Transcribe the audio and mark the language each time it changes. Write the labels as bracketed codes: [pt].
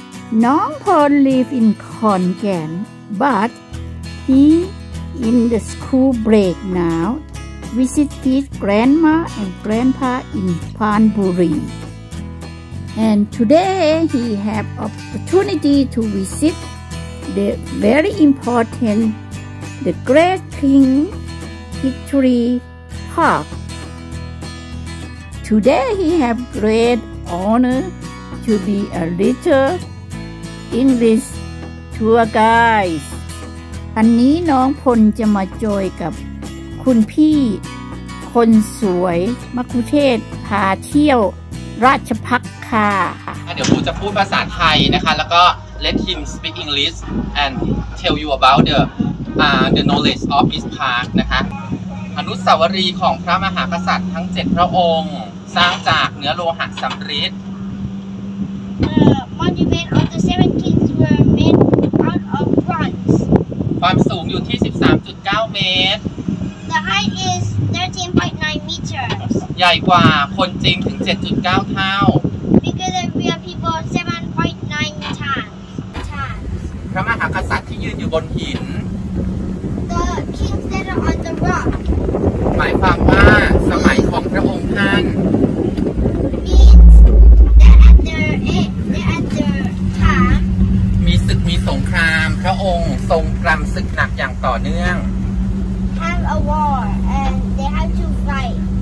[en] Nong Phorn lives in Khon Kaen, but he in the school break now, visited grandma and grandpa in Phan Buri. And today he have opportunity to visit the very important, the Great King History Park. Today he have great honor to be a little English tour guide. [th] อันนี้น้องพลจะมาจอยกับคุณพี่คนสวยมักคุเทศพาเที่ยวราชพักค่ะ เดี๋ยวผมจะพูดภาษาไทยนะคะแล้วก็ [en] Let him speak English and tell you about the knowledge of his park [th] นะคะอนุสาวรีย์ของพระมหากษัตริย์ทั้ง7พระองค์สร้างจากเนื้อโลหะสำริด [en] Monument of the Seven Kings were made out of bronze [th] ความสูงอยู่ที่ 13.9 เมตร [en] The height is 13.9 meters [th] ใหญ่กว่าคนจริงถึง 7.9 เท่า [en] Bigger than real people 7.9 times [th] พระมหากษัตริย์ที่ยืนอยู่บนหิน [en] The King stand on the rock [th] หมายความว่าสมัยของพระองค์ท่าน [en] Means that at the end at the time [th] มีศึกมีสงครามพระองค์ทรงกรำศึกหนักอย่างต่อเนื่อง [en] Have a war and they have to fight